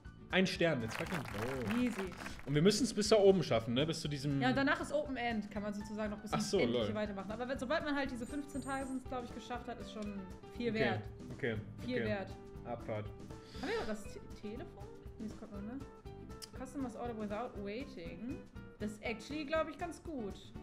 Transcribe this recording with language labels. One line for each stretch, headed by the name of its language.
German: Ein Stern, jetzt fucking.
English: Oh. Easy.
German: Und wir müssen es bis da oben schaffen, ne? Bis zu diesem. Ja, danach ist Open End, kann man sozusagen noch bis zum so, Endliche weitermachen. Aber sobald man halt diese 15 Tage sind, glaube ich, geschafft hat, ist schon viel wert. Okay. Viel wert. Abfahrt. Haben wir noch das Telefon? Nee, das kommt noch, ne?
English: Customers order without waiting.
German: Das ist actually, glaube ich, ganz gut.